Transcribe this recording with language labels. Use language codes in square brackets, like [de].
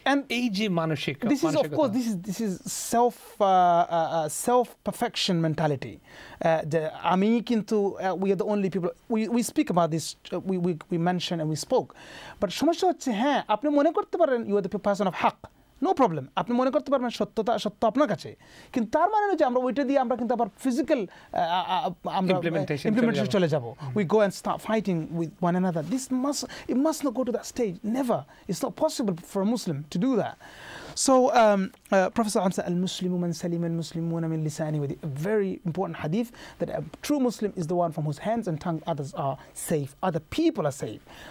[en] And age manushik. This is of course this is self self perfection mentality. We are the only people. We speak about this. We mention and we spoke. [bn] But সমস্যা হচ্ছে হ্যাঁ আপনি মনে করতে পারেন [en] you are the person of haq. No problem. [bn] আপনি মনে করতে পারবেন সত্যতা সত্য আপনার কাছে. কিন্তু তার মানে যে আমরা ওইটা দিয়ে আমরা কিন্তু আবার physical [en] implementation [bn] চলে যাব. [en] We go and start fighting with one another. It must not go to that stage. Never. It's not possible for a Muslim to do that. So, Professor Amsa, [ar] al-Muslimu man salim al-Muslimuna min lisani, [en] with a very important hadith that a true Muslim is the one from whose hands and tongue others are safe, other people are safe.